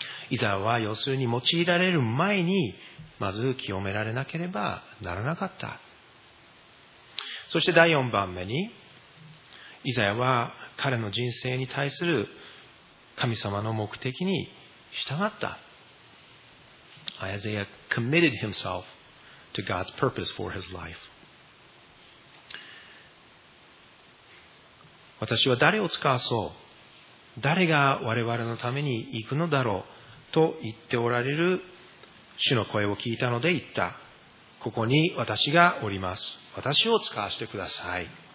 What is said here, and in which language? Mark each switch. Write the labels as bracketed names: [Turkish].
[Japanese] イザは要するに用いられる前にまず清められなければならなかった。そして第4番目に、イザは彼の人生に対する神様の目的に従った。 [English] Isaiah committed himself to God's purpose for his life。 [Japanese] 私は誰を使わそう、誰が我々のために行くのだろうと言っておられる主の声を聞いたので言った、ここに私がおります、私を使わせてください。